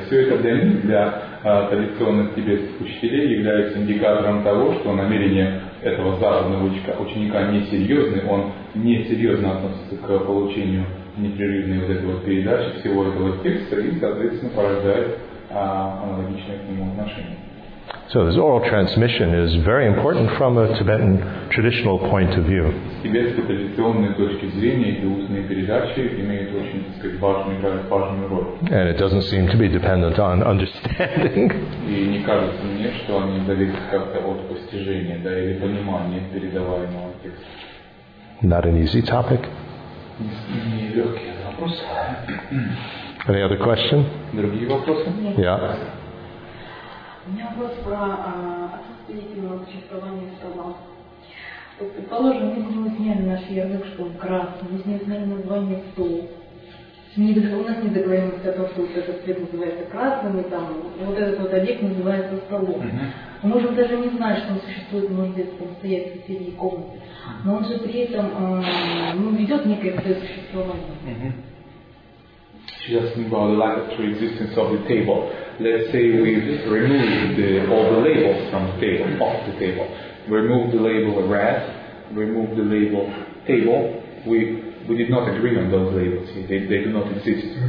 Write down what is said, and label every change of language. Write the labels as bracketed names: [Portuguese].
[Russian] Все это для них, для традиционных тибетских учителей, является индикатором того, что намерение этого западного ученика несерьезны, он несерьезно относится к получению непрерывной вот этой вот передачи всего этого текста и, соответственно, порождает аналогичное к нему отношение. [English] So this oral transmission is very important from a Tibetan traditional point of view. [Russian] Тибетская традиционная точка зрения и устные передачи имеют очень, так сказать, важную роль. [English] And it doesn't seem to be dependent on understanding. [Russian] И не кажется мне, что они зависят как-то от постижения, да, или понимания передаваемого текста. [English] Not an easy topic. [Russian] Не легкий вопрос. [English] Any other question? [Russian] Другие вопросы? [English] Yeah. [Russian] У меня вопрос про отсутствие экипирования слова. Вот, предположим, мы с ним изменили наш язык, что он красный, мы с ним изменили название «стол». У нас не договоримость о том, что вот этот цвет называется красным, и там вот этот вот объект называется столом. Мы можем даже не знать, что он существует, может где-то там стоять в соседней комнате. Но он же при этом ведет некое свое существование. [English] She asked me about the lack of existence of the table. Let's say we remove all the labels from the table, off the table. Remove the label red, remove the label table. We did not agree on those labels. They do not exist.